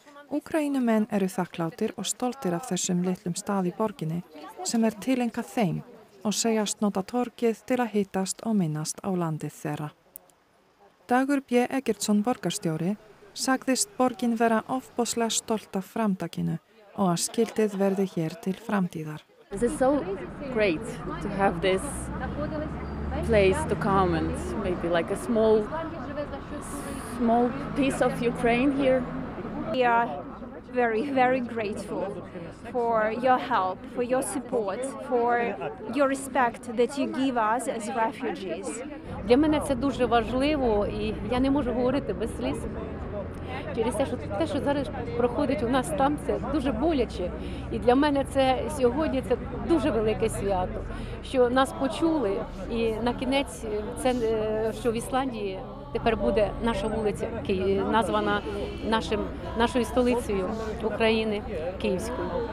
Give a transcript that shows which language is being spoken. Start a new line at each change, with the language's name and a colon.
Icelandic: Úkraínumenn eru þakklátir og stoltir af þessum litlum stað í borginni sem tilengað þeim og segjast nota torkið til að hittast og minnast á landið þeirra. Dagur B. Eggertsson borgarstjóri sagðist borgin vera ofboðslega stolt af framtakinu og að skiltið verði hér til framtíðar.
English: It is so great to have this place to come and maybe like a small piece of Ukraine here. We are very very grateful for your help, for your support, for your respect that you give us as refugees.
Ukrainian: Для мене це дуже важливо і я не можу говорити без сліз. Через те, що зараз проходить у нас там, це дуже боляче. І для мене це сьогодні це дуже велике свято, що нас почули і на кінець це що в Ісландії тепер буде наша вулиця, названа нашою столицею України Київською.